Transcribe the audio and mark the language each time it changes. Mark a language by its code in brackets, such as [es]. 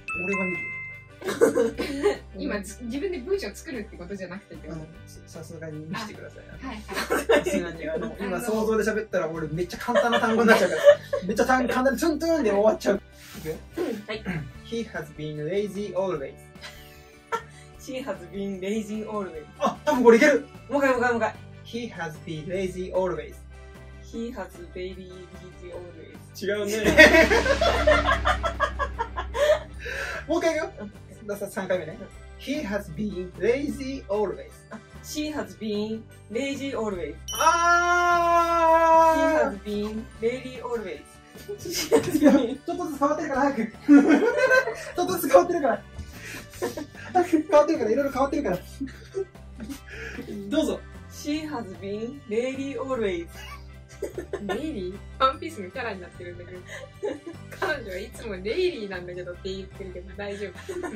[ja] 俺が見る。今自分で文章作るってことじゃなくて、さすがに見せてください。はい、はい、今想像で喋ったら俺めっちゃ簡単な単語になっちゃうから。めっちゃ簡単でツントゥンで終わっちゃう。はい。 [en] He has been lazy always. She has been lazy always. [ja] あ、多分これいける。もう一回もう一回もう一回。 [en] He has been lazy always. He has baby lazy always. [ja] 違うね。もう一回いくよ。ださ三回目ね。 [en] He has been lazy always. She has been lazy always. ああ。 He has been lazy always. [ja] ちょっとずつ変わってるから早く。ちょっとずつ変わってるから変わってるから、いろいろ変わってるから。どうぞ。 [en] She has been lady always. Lady? [ja] ワンピースのキャラになってるんだけど、彼女はいつもレイリーなんだけどって言ってるけど大丈夫。